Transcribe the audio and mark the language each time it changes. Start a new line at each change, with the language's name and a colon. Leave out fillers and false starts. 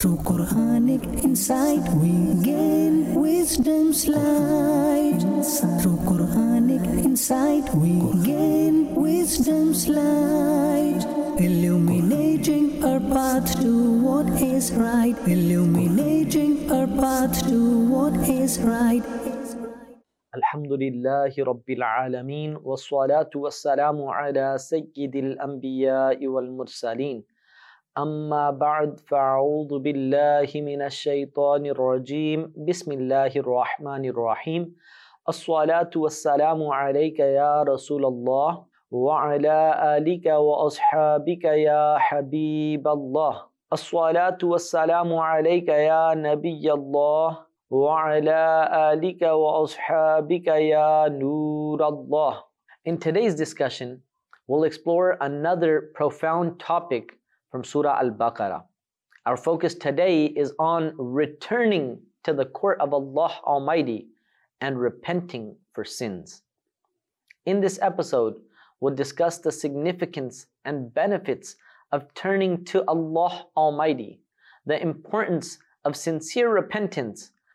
English: Through Quranic insight, we gain wisdom's light. Through Quranic insight, we gain wisdom's light. Illuminating our path to what is right. Illuminating our path to what is right.
Arabic: الحمد لله رب العالمين والصلاة والسلام على سيد الأنبياء والمرسلين. أما بعد فأعوذ بالله من الشيطان الرجيم بسم الله الرحمن الرحيم الصلاة والسلام عليك يا رسول الله وعلى آلك وأصحابك يا حبيب الله الصلاة والسلام عليك يا نبي الله وعلى آلك وأصحابك يا نور الله.
English: In today's discussion, we'll explore another profound topic from Surah Al-Baqarah. Our focus today is on returning to the court of Allah Almighty and repenting for sins. In this episode, we'll discuss the significance and benefits of turning to Allah Almighty, the importance of sincere repentance.